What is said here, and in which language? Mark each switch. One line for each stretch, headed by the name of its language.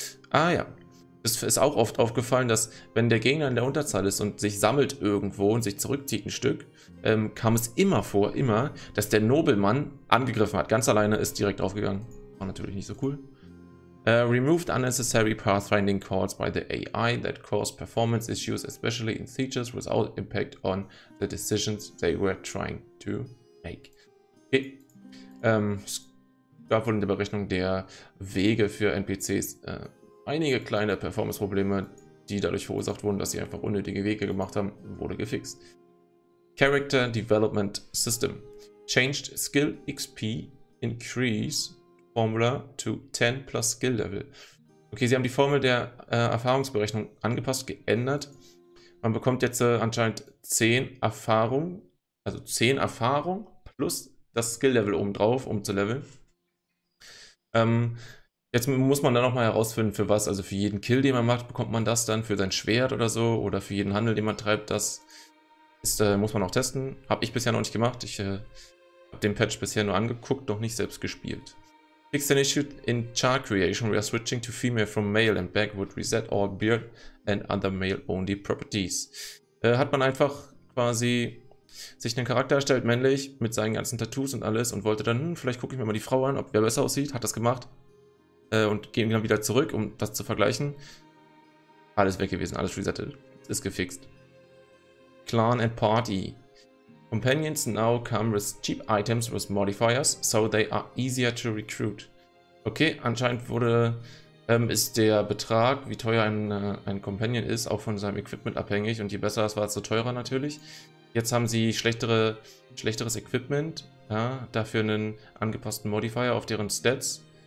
German: Ah ja, es ist auch oft aufgefallen, dass wenn der Gegner in der Unterzahl ist und sich sammelt irgendwo und sich zurückzieht ein Stück, kam es immer vor, immer, dass der Nobelmann angegriffen hat. Ganz alleine ist direkt draufgegangen. War natürlich nicht so cool.
English: Removed unnecessary pathfinding calls by the AI that caused performance issues, especially in sieges, without impact on the decisions they were trying to make. Okay.
German: Es gab wohl in der Berechnung der Wege für NPCs einige kleine Performance-Probleme, die dadurch verursacht wurden, dass sie einfach unnötige Wege gemacht haben, wurde gefixt.
English: Character Development System. Changed Skill XP Increase Formula to 10 plus Skill Level.
German: Okay, sie haben die Formel der Erfahrungsberechnung angepasst, geändert. Man bekommt jetzt anscheinend 10 Erfahrung, also 10 Erfahrung plus das Skill Level obendrauf, um zu leveln. Jetzt muss man dann nochmal herausfinden, für was, also für jeden Kill, den man macht, bekommt man das dann, für sein Schwert oder so, oder für jeden Handel, den man treibt, das ist, muss man auch testen. Habe ich bisher noch nicht gemacht, ich habe den Patch bisher nur angeguckt, noch nicht selbst gespielt.
English: Fixed an issue in char creation, we are switching to female from male and back would reset all beard and other male-only properties.
German: Hat man einfach quasi sich einen Charakter erstellt, männlich, mit seinen ganzen Tattoos und alles und wollte dann, vielleicht gucke ich mir mal die Frau an, ob wer besser aussieht, hat das gemacht. Und gehen dann wieder zurück, um das zu vergleichen. Alles weg gewesen, alles resettet. Ist gefixt.
English: Clan and Party. Companions now come with cheap items with modifiers, so they are easier to recruit.
German: Okay, anscheinend wurde, ist der Betrag, wie teuer ein Companion ist, auch von seinem Equipment abhängig. Und je besser es war, desto teurer natürlich. Jetzt haben sie schlechteres Equipment, ja, dafür einen angepassten Modifier auf deren Stats.